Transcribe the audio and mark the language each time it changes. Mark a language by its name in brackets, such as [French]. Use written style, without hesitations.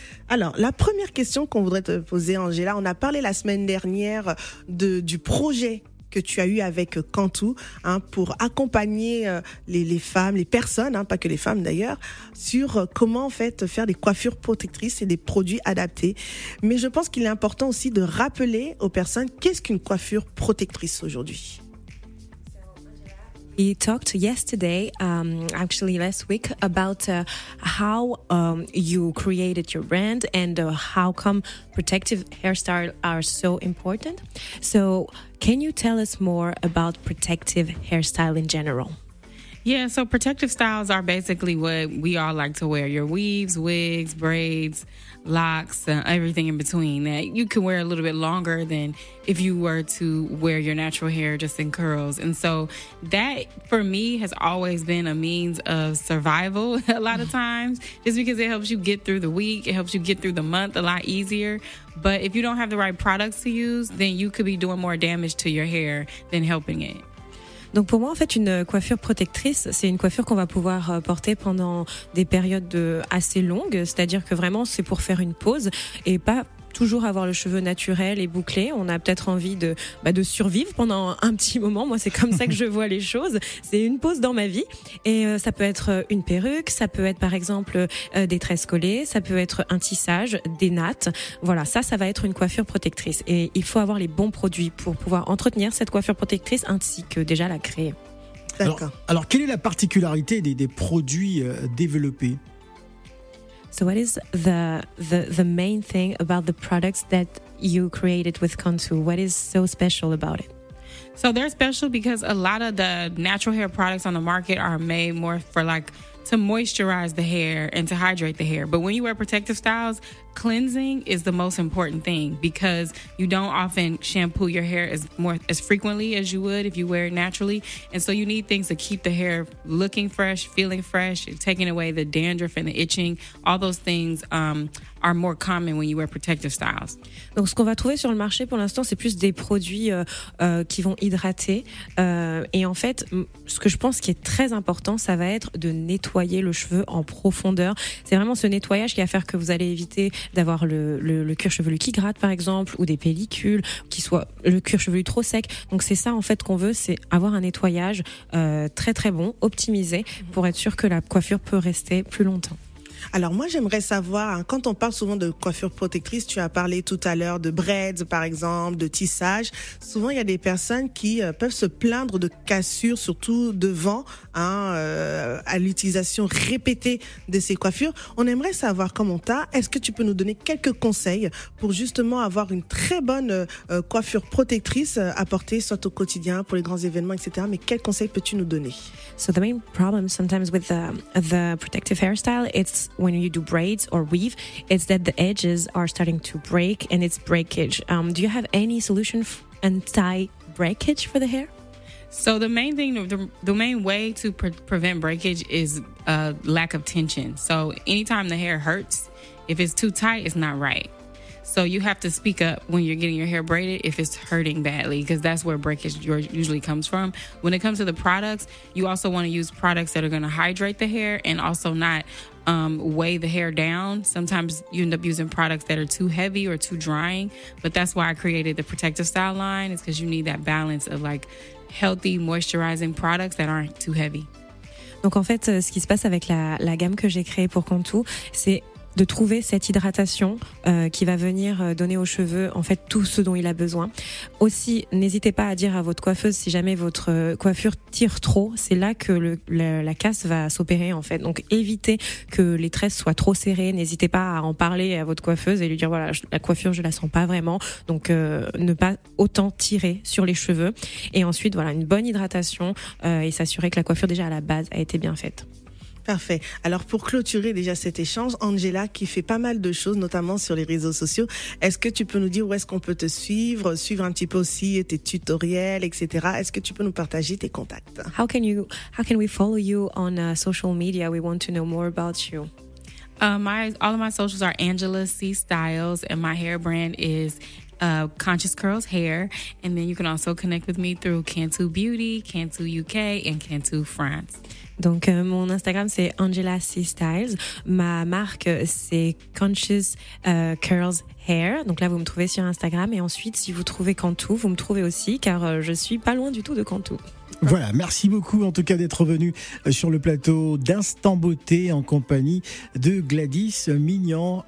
[French] Alors, la première question qu'on voudrait te poser, Angela, on a parlé la semaine dernière du projet que tu as eu avec Cantu pour accompagner les femmes, les personnes, pas que les femmes d'ailleurs, sur comment en fait faire des coiffures protectrices et des produits adaptés. Mais je pense qu'il est important aussi de rappeler aux personnes qu'est-ce qu'une coiffure protectrice aujourd'hui. [English] You talked yesterday, actually last week, about how you created your brand and how come protective hairstyles are so important. So can you tell us more about protective hairstyle in general? Yeah, so protective styles are basically what we all like to wear. Your weaves, wigs, braids, locks, everything in between that you can wear a little bit longer than if you were to wear your natural hair just in curls. And so that, for me, has always been a means of survival a lot of times, just because it helps you get through the week, it helps you get through the month a lot easier. But if you don't have the right products to use, then you could be doing more damage to your hair than helping it. [French] Donc pour moi, en fait, une coiffure protectrice, c'est une coiffure qu'on va pouvoir porter pendant des périodes assez longues, c'est-à-dire que vraiment, c'est pour faire une pause et pas toujours avoir le cheveu naturel et bouclé. On a peut-être envie de survivre pendant un petit moment. Moi, c'est comme ça que je vois les choses. C'est une pause dans ma vie. Et ça peut être une perruque, ça peut être par exemple des tresses collées, ça peut être un tissage, des nattes. Voilà, ça va être une coiffure protectrice. Et il faut avoir les bons produits pour pouvoir entretenir cette coiffure protectrice ainsi que déjà la créer. D'accord. Alors quelle est la particularité des produits développés? [English] So what is the main thing about the products that you created with Cantu? What is so special about it? So they're special because a lot of the natural hair products on the market are made more for like to moisturize the hair and to hydrate the hair. But when you wear protective styles, cleansing is the most important thing because you don't often shampoo your hair as frequently as you would if you wear it naturally. And so you need things to keep the hair looking fresh, feeling fresh, and taking away the dandruff and the itching. All those things are more common when you wear protective styles. [French] Donc ce qu'on va trouver sur le marché pour l'instant, c'est plus des produits qui vont hydrater. Et en fait, ce que je pense qui est très important, ça va être de nettoyer le cheveu en profondeur. C'est vraiment ce nettoyage qui va faire que vous allez éviter d'avoir le cuir chevelu qui gratte par exemple, ou des pellicules, qui soit le cuir chevelu trop sec. Donc c'est ça en fait qu'on veut, c'est avoir un nettoyage très très bon, optimisé, pour être sûr que la coiffure peut rester plus longtemps. Alors moi j'aimerais savoir, quand on parle souvent de coiffure protectrice, tu as parlé tout à l'heure de braids par exemple, de tissage, souvent il y a des personnes qui peuvent se plaindre de cassures, surtout devant à l'utilisation répétée de ces coiffures. On aimerait savoir comment t'as, est-ce que tu peux nous donner quelques conseils pour justement avoir une très bonne coiffure protectrice à porter, soit au quotidien, pour les grands événements, etc. Mais quels conseils peux-tu nous donner? [English] So the main problem sometimes with the protective hairstyle, it's when you do braids or weave, it's that the edges are starting to break and it's breakage. Do you have any solution anti-breakage for the hair? So the main thing, the main way to prevent breakage is a lack of tension. So anytime the hair hurts, if it's too tight, it's not right. So you have to speak up when you're getting your hair braided if it's hurting badly, because that's where breakage usually comes from. When it comes to the products, you also want to use products that are going to hydrate the hair and also not weigh the hair down. Sometimes you end up using products that are too heavy or too drying, but that's why I created the protective style line, is because you need that balance of like healthy moisturizing products that aren't too heavy. [French] Donc en fait, ce qui se passe avec la gamme que j'ai créée pour Cantu, c'est de trouver cette hydratation qui va venir donner aux cheveux en fait tout ce dont il a besoin. Aussi, n'hésitez pas à dire à votre coiffeuse si jamais votre coiffure tire trop, c'est là que la casse va s'opérer en fait. Donc évitez que les tresses soient trop serrées, n'hésitez pas à en parler à votre coiffeuse et lui dire voilà, la coiffure je la sens pas vraiment. Donc ne pas autant tirer sur les cheveux, et ensuite voilà, une bonne hydratation et s'assurer que la coiffure déjà à la base a été bien faite. Parfait. Alors pour clôturer déjà cet échange, Angela, qui fait pas mal de choses, notamment sur les réseaux sociaux, est-ce que tu peux nous dire où est-ce qu'on peut te suivre, suivre un petit peu aussi tes tutoriels, etc. Est-ce que tu peux nous partager tes contacts? [English] How can we follow you on social media? We want to know more about you. All of my socials are Angela C Styles, and my hair brand is Conscious Curls Hair. And then you can also connect with me through Cantu Beauty, Cantu UK, and Cantu France. [French] Donc mon Instagram c'est Angela C Styles, ma marque c'est Conscious Curls Hair. Donc là vous me trouvez sur Instagram, et ensuite si vous trouvez Cantu, vous me trouvez aussi, car je suis pas loin du tout de Cantu. Voilà, merci beaucoup en tout cas d'être venu sur le plateau d'Instant Beauté en compagnie de Gladys Mignan.